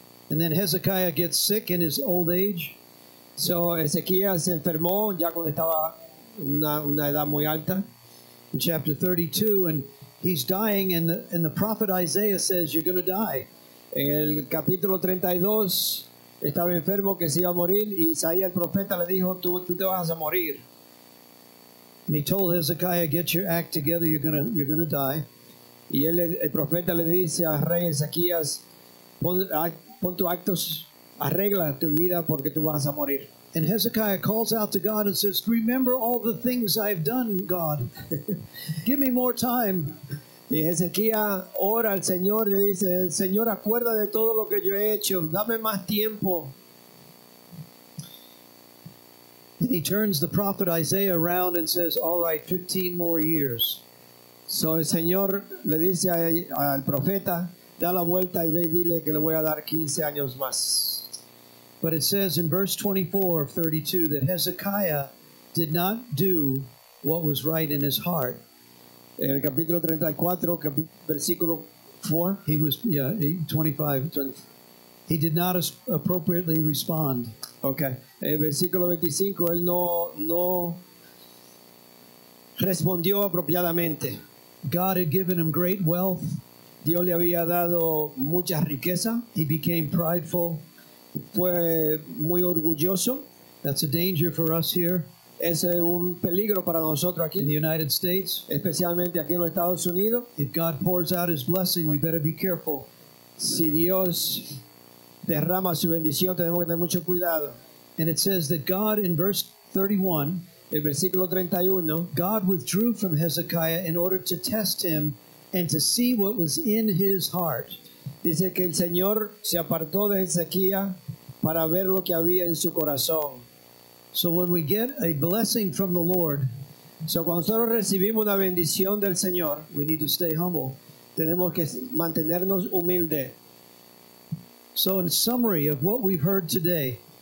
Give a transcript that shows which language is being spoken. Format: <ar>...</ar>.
<en>And then Hezekiah gets sick in his old age.</en> <es>So Ezequías se enfermó ya cuando estaba una edad muy alta.</es> <en>In chapter 32, and he's dying, and the prophet Isaiah says, you're going to die.</en> <es>En el capítulo 32, estaba enfermo que se iba a morir, y Isaías el profeta le dijo, tú te vas a morir.</es> <en>And he told Hezekiah, get your act together, you're going to die.</en> <es>Y el profeta le dice al rey Ezequías, pon tu actos, arregla tu vida porque tú vas a morir.</es> <en>And Hezekiah calls out to God and says, remember all the things I've done, God. Give me more time.</en> <es>Y Ezequiah ora al Señor y dice, Señor, acuerda de todo lo que yo he hecho. Dame más tiempo.</es> <en>And he turns the prophet Isaiah around and says, all right, 15 more years.</en> <es>So el Señor le dice al profeta, da la vuelta y ve y dile que le voy a dar 15 años más.</es> <en>But it says in verse 24 of 32 that Hezekiah did not do what was right in his heart.</en> <es>En el capítulo 34, versículo 4.</es> <en>He was, 25. He did not appropriately respond. Okay.</en> <es>En versículo 25, él no respondió apropiadamente.</es> <en>God had given him great wealth.</en> <es>Dios le había dado mucha riqueza.</es> <en>He became prideful.</en> <es>Fue muy orgulloso.</es> <en>That's a danger for us here.</en> <es>Es un peligro para nosotros aquí.</es> <en>In the United States.</en> <es>Especialmente aquí en los Estados Unidos.</es> <en>If God pours out his blessing, we better be careful.</en> <es>Si Dios derrama su bendición, tenemos que tener mucho cuidado.</es> <en>And it says that God, in verse 31,</en> <es>el versículo 31,</es> <en>God withdrew from Hezekiah in order to test him and to see what was in his heart.</en> <es>Dice que el Señor se apartó de Ezequías para ver lo que había en su corazón.</es> <en>So when we get a blessing from the Lord,</en> <es>so cuando nosotros recibimos una bendición del Señor,</es> <en>we need to stay humble.</en> <es>Tenemos que mantenernos humildes.</es> <en>So in summary of what we've heard today,</en>